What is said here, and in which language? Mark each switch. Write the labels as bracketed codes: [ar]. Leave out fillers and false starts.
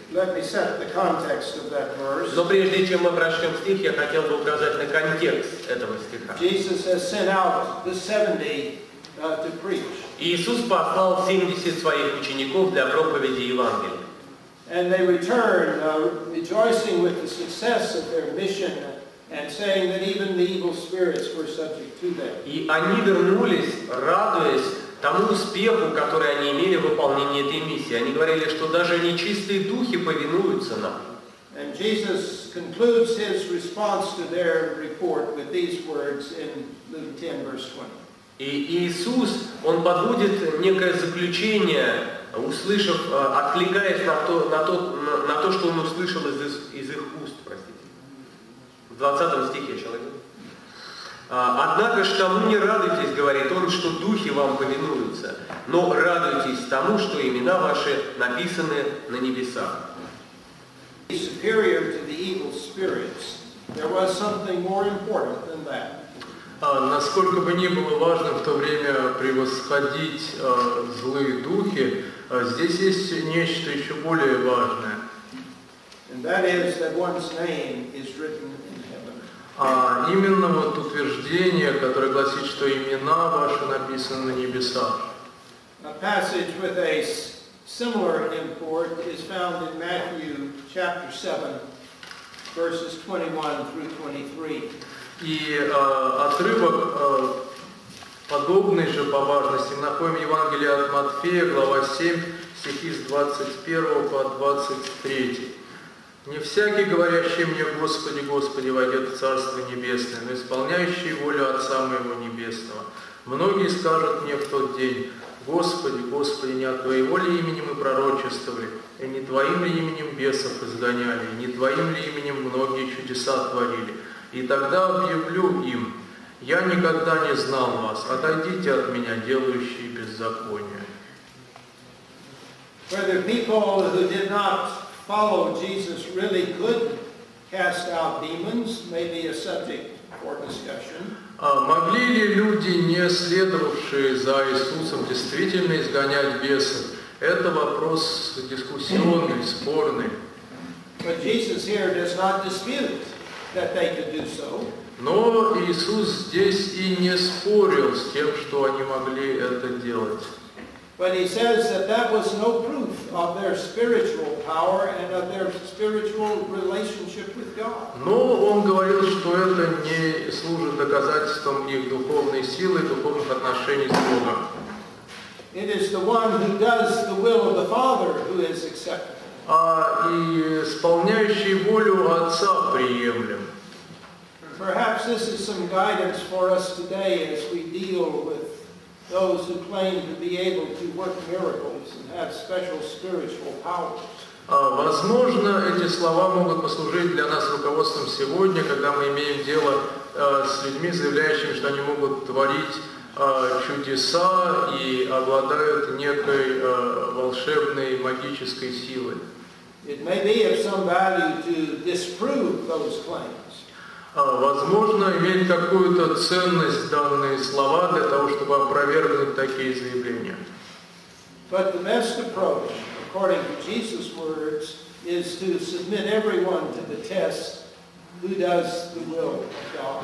[en] Let me set the context of that verse. [ru] Но прежде чем мы прочтем стих, я хотел бы указать на контекст этого стиха. [en] Jesus has sent out the 70 to preach. [ru] Иисус послал 70 своих учеников для проповеди Евангелия. [en] And they return rejoicing with the success of their mission and saying that even the evil spirits were subject to them. [ru] И они вернулись, радуясь тому успеху, который они имели в выполнении этой миссии. Они говорили, что даже нечистые духи повинуются нам. [en] And Jesus concludes his response to their report with these words in Luke 10, verse 20. [ru] И Иисус, он подводит некое заключение, услышав, откликаясь на то, что он услышал из их уст, простите. В 20 стихе человек. Однако ж тому не радуйтесь, говорит он, что духи вам повинуются, но радуйтесь тому, что имена ваши написаны на небесах. [en] Superior to the evil spirits, there was something more important than that. [ru] Насколько бы ни было важно в то время превосходить злые духи, здесь есть нечто еще более важное. [en] And that is that one's name is written in heaven. [ru] Именно вот утверждение, которое гласит, что имена ваши написаны на небесах. [en] A passage with a similar import is found in Matthew chapter 7, verses 21 through 23. [ru] И отрывок, подобный же по важности, мы находим в Евангелии от Матфея, глава 7, стихи с 21 по 23. «Не всякий, говорящий мне, Господи, Господи, войдет в Царство Небесное, но исполняющий волю Отца Моего Небесного. Многие скажут мне в тот день, Господи, Господи, не от Твоей воли имени мы пророчествовали, и не Твоим ли именем бесов изгоняли, и не Твоим ли именем многие чудеса творили». И тогда объявлю им, я никогда не знал вас, отойдите от меня, делающие беззаконие. [en] Whether people who did not follow Jesus really could cast out demons may be a subject for discussion. [ru] Могли ли люди, не следовавшие за Иисусом, действительно изгонять бесов? Это вопрос дискуссионный, спорный. [en] But Jesus here does not dispute that they could do so. [ru] Но Иисус здесь и не спорил с тем, что они могли это делать. [en] But he says that that was no proof of their spiritual power and of their spiritual relationship with God. [ru] Но он говорил, что это не служит доказательством их духовной силы, духовных отношений с Богом. [en] It is the one who does the will of the Father who is accepted. [ru] А и исполняющий волю Отца приемлем. [en] Perhaps this is some guidance for us today as we deal with those who claim to be able to work miracles and have special spiritual powers. [ru] Возможно, эти слова могут послужить для нас руководством сегодня, когда мы имеем дело с людьми, заявляющими, что они могут творить чудеса и обладают некой волшебной магической силой. [en] It may be of some value to disprove those claims. [ru] Возможно, иметь какую-то ценность данные слова для того, чтобы опровергнуть такие заявления. [en] But the best approach, according to Jesus' words, is to submit everyone to the test who does the will of God.